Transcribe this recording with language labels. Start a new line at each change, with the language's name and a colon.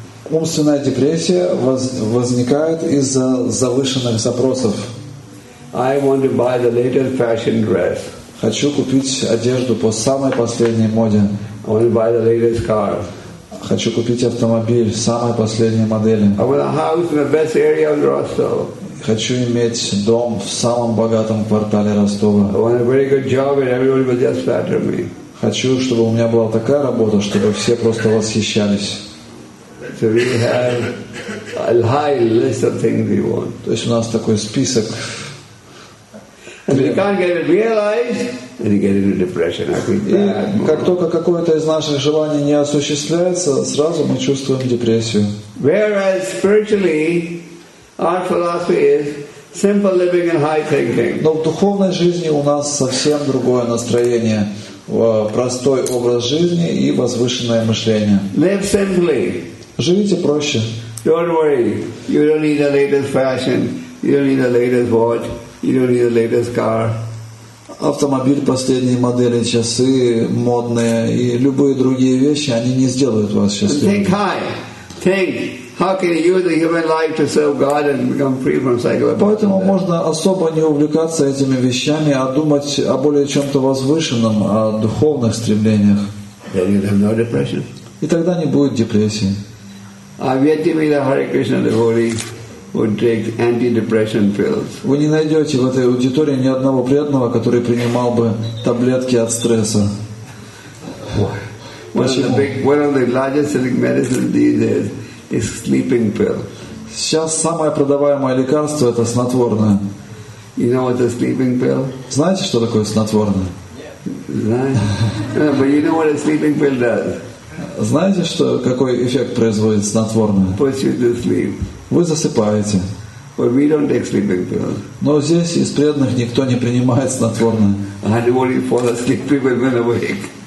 Russian: Умственная депрессия возникает из-за завышенных запросов.
English: I want to buy the latest fashion dress.
Russian: Хочу купить одежду по самой последней моде.
English: I want to buy the latest car.
Russian: Хочу купить автомобиль самой последней модели.
English: I want a house in the best area of Rostov.
Russian: Хочу иметь дом в самом богатом квартале Ростова.
English: I want a very good job and everyone will just flatter me.
Russian: Хочу, чтобы у меня была такая работа, чтобы все просто восхищались.
English: So we have a high list of things we want.
Russian: То есть у нас такой список.
English: If you can't get it realized, then you get into depression. I feel bad.
Russian: Как только какое-то из наших желаний не осуществляется, сразу мы чувствуем депрессию.
English: Whereas spiritually, our philosophy is simple living and high thinking.
Russian: Но в духовной жизни у нас совсем другое настроение, простой образ жизни и возвышенное мышление.
English: Live simply.
Russian: Живите проще.
English: Don't worry. You don't need the latest fashion. You don't need the latest watch. You don't need the latest car.
Russian: Автомобиль последней модели, часы модные и любые другие вещи, они не сделают вас счастливым.
English: Think high. Think. How can you use the human life to serve God and become free from cycle?
Russian: Поэтому можно особо не увлекаться этими вещами, а думать о более чем-то возвышенном, о духовных стремлениях.
English: Then you have no depression.
Russian: И тогда не будет депрессии.
English: I've yet to meet a Hare Krishna devotee. Would take anti-depression pills.
Russian: Вы не найдете в этой аудитории ни одного преданного, который принимал бы таблетки от стресса.
English: One of the largest selling medicines these days is sleeping pill.
Russian: Сейчас самое продаваемое лекарство это снотворное.
English: You know what a sleeping pill?
Russian: Знаете, что такое снотворное? Знаю.
English: But you know what a sleeping pill does?
Russian: Знаете, что какой эффект производит снотворное?
English: Puts you to sleep.
Russian: Вы засыпаете.
English: But we don't take sleeping pills.
Russian: Но здесь из преданных никто не принимает снотворное.
English: And I only fall asleep when I'm awake.